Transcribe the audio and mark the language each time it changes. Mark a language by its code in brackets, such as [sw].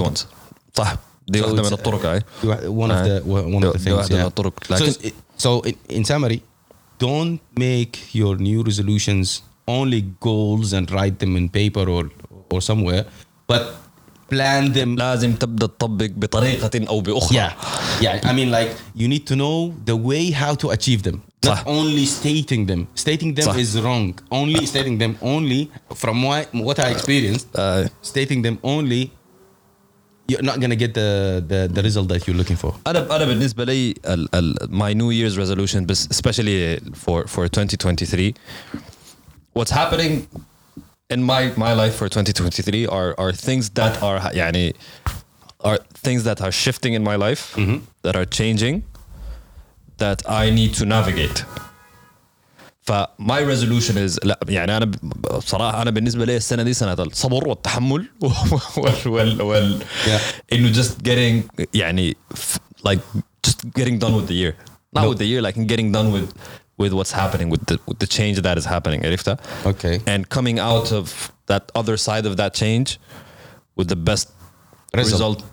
[en] Good ones. [ar] صح. دي واحدة من الطرق. [en] So in summary, don't make your new resolutions only goals and write them in paper or somewhere, but plan them. [ar] لازم تبدأ تطبق بطريقة أو بأخرى. [en] Yeah. I mean, like, you need to know the way how to achieve them. Not only stating them. Stating them is wrong. Only stating them only, from what I experienced, stating them only, you're not going to get the result that you're looking for. [ar] أنا بالنسبة لي, [en] my New Year's resolution, especially for 2023, what's happening in my life for 2023 are things that are, يعني, are things that are shifting in my life, that are changing, that I need to navigate. [ar] ف [en] my resolution is, [ar] لا, يعني أنا بصراحة أنا بالنسبة لي السنة دي سنة الصبر والتحمل وال [en] yeah. إنه just getting, يعني, like just getting done with the year. Not with the year, like getting done with what's happening, with the change that is happening. [ar] عرفتها? [en] Okay. And coming out of that other side of that change with the best result